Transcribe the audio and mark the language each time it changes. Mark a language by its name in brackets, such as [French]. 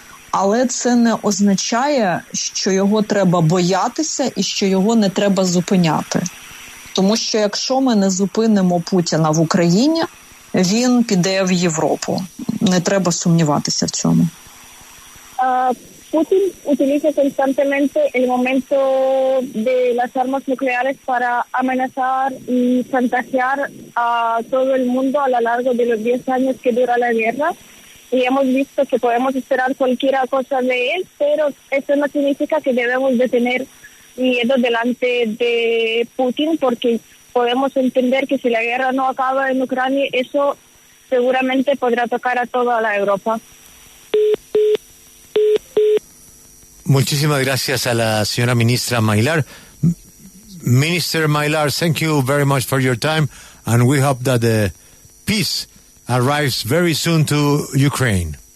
[Ukrainian] Але це не означає, що його треба боятися і що його не треба зупиняти. Тому що якщо ми не зупинимо Путіна в Україні, він піде в Європу. Не треба сумніватися в цьому. [Spanish] Putin utiliza constantemente el momento de las armas nucleares para amenazar y chantajear a todo el mundo a lo largo de los 10 años que dura la guerra. Y hemos visto que podemos esperar cualquier cosa de él, pero eso no significa que debemos de tener miedo delante de Putin, porque podemos entender que si la guerra no acaba en Ucrania, eso seguramente podrá tocar a toda la Europa. Muchísimas gracias a la señora ministra Maylar. [English] Minister Maylar, thank you very much for your time, and we hope that the peace arrives very soon to Ukraine.